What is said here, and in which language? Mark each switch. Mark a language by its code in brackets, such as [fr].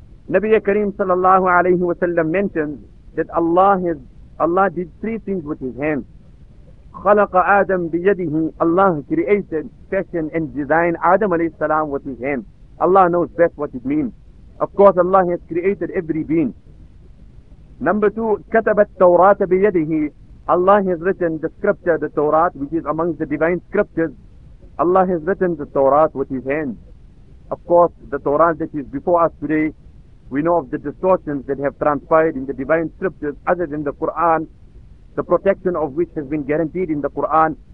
[en] Nabiya Kareem sallallahu alayhi wa sallam mentioned that Allah did three things with his hands. [ar] خلق آدم بيده. [en] Allah created, fashioned and designed Adam alayhi salam with his hand. Allah knows best what it means. Of course, Allah has created every being. [ar] Number two, كتب التوراة بيده. [en] Allah has written the scripture, the Torah, which is among the divine scriptures. Allah has written the Torah with his hand. Of course, the Torah that is before us today, we know of the distortions that have transpired in the divine scriptures other than the Quran, the protection of which has been guaranteed in the Quran.